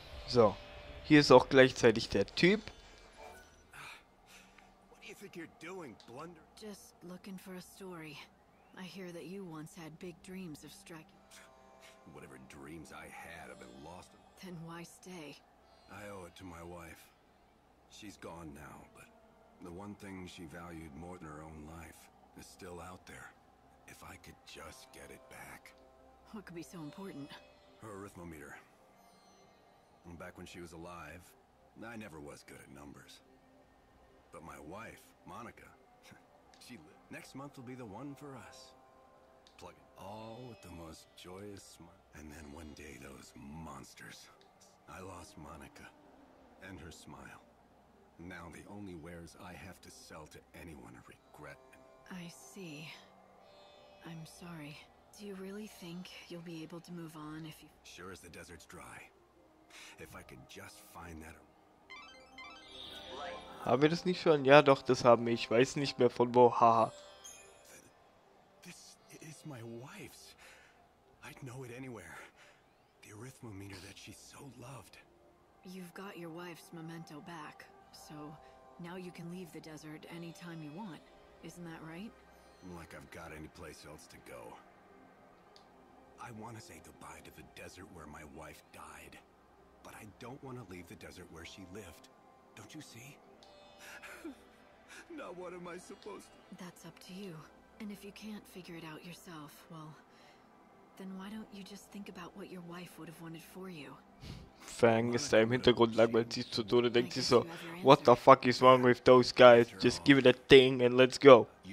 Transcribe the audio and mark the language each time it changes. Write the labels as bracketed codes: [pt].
[de] So, hier ist auch gleichzeitig der Typ. [en] What do you think you're doing, Blunder? Just looking for a story. I hear that you once had big dreams of striking. Whatever dreams I had, I've been lost. Then why stay? I owe it to my wife. She's gone now, but the one thing she valued more than her own life is still out there. If I could just get it back. What could be so important? Her arithmometer. And back when she was alive, I never was good at numbers. But my wife, Monica, she lived. Next month will be the one for us. Plug it all with the most joyous smile. And then one day those monsters. I lost Monica and her smile. Now the only wares I have to sell to anyone are regret. I see. I'm sorry. Do you really think you'll be able to move on if you... Sure as the desert's dry. If I could just find that... [de] Haben wir das nicht schon? Ja doch, das haben wir. Ich weiß nicht mehr von wo. Haha. [en] This is my wife's. I'd know it anywhere. The arithmometer that she so loved. You've got your wife's memento back. So, now you can leave the desert anytime you want. Isn't that right? Like I've got any place else to go. I want to say goodbye to the desert where my wife died. But I don't want to leave the desert where she lived. Don't you see? Now what am I supposed to... That's up to you. And if you can't figure it out yourself, well... Then why don't you just think about what your wife would have wanted for you? [de] Fang ist da im Hintergrund langweilt sich zu tun und denkt sich so, [en] what the fuck is wrong with those guys? Just give it a thing and let's go.